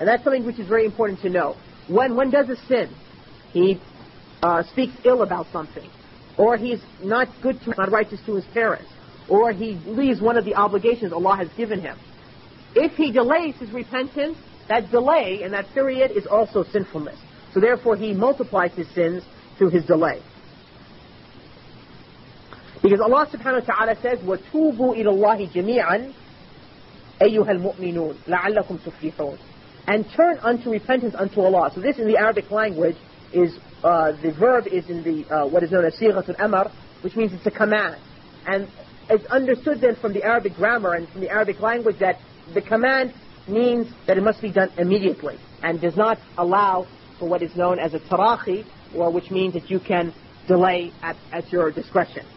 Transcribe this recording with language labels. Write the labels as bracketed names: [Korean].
[English] And that's something which is very important to know. When one does a sin, he speaks ill about something, or he's not good to, not righteous to his parents, or he leaves one of the obligations Allah has given him. If he delays his repentance, that delay and that period is also sinfulness. So therefore, he multiplies his sins through his delay. Because Allah subhanahu wa ta'ala says, [Arabic] وَتُوبُوا إِلَى اللَّهِ جَمِيعًا أَيُّهَا الْمُؤْمِنُونَ لَعَلَّكُمْ تُفْلِحُونَ. [English] And turn unto repentance unto Allah. So this in the Arabic language is, the verb is in the what is known as Sighat al-Amr, which means it's a command. And it's understood then from the Arabic grammar and from the Arabic language that the command means that it must be done immediately and does not allow for what is known as a tarakhi, or which means that you can delay at your discretion.